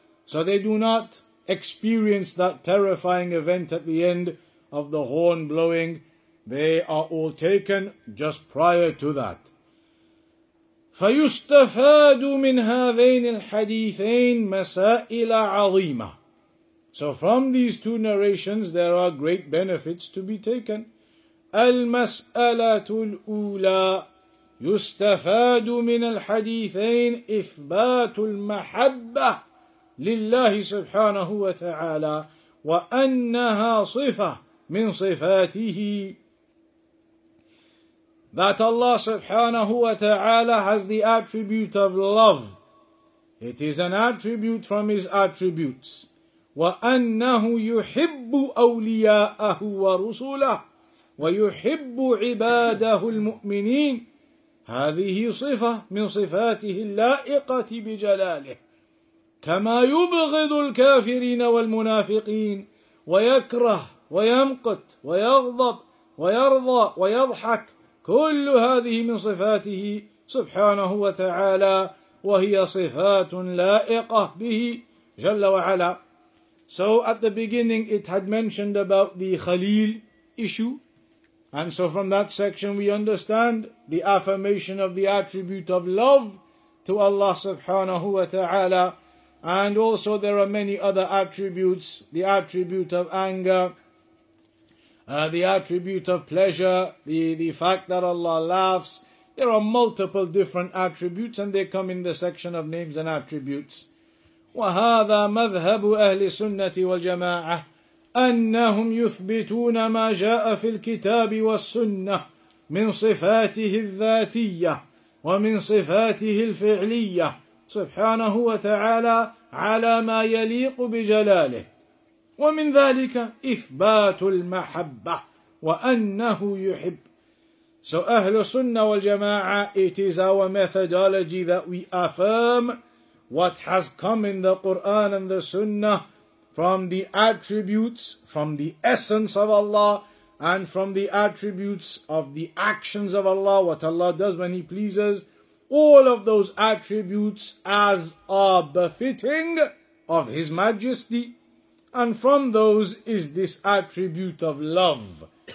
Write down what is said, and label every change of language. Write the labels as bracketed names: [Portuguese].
[English] So they do not experience that terrifying event at the end of the horn blowing. They are all taken just prior to that. [Arabic] فَيُسْتَفَادُ مِنْ هَذَيْنِ الْحَدِيثَيْنِ مَسَائِلَ عَظِيمَةً. [English] So from these two narrations there are great benefits to be taken. [Arabic] الْمَسْأَلَةُ الْأُولَى يستفاد من الحديثين إثبات المحبة لله سبحانه وتعالى وأنها صفة من صفاته. [English] That Allah [Arabic] سبحانه وتعالى [English] has the attribute of love. It is an attribute from His attributes. [Arabic] وأنه يحب أولياءه ورسله ويحب عباده المؤمنين. هذه صفة من صفاته اللائقة بجلاله. كما يبغض الكافرين والمنافقين ويكره ويمقت ويغضب ويرضى ويضحك كل هذه من صفاته سبحانه وتعالى وهي صفات لائقة به جل وعلا. [English] So at the beginning it had mentioned about the Khalil issue. And so from that section we understand the affirmation of the attribute of love to Allah [Arabic] subhanahu wa ta'ala. [English] And also there are many other attributes, the attribute of anger, the attribute of pleasure, the fact that Allah laughs. There are multiple different attributes and they come in the section of names and attributes. [Arabic] وهذا مذهب أهل السنة والجماعة أنهم يثبتون ما جاء في الكتاب والسنة من صفاته الذاتية ومن صفاته الفعلية سبحانه وتعالى على ما يليق بجلاله ومن ذلك إثبات المحبة وأنه يحب. [English] So [Arabic] أهل السنة والجماعة, [English] it is our methodology that we affirm what has come in the Qur'an and the Sunnah from the attributes, from the essence of Allah, and from the attributes of the actions of Allah, what Allah does when He pleases, all of those attributes as are befitting of His Majesty, and from those is this attribute of love.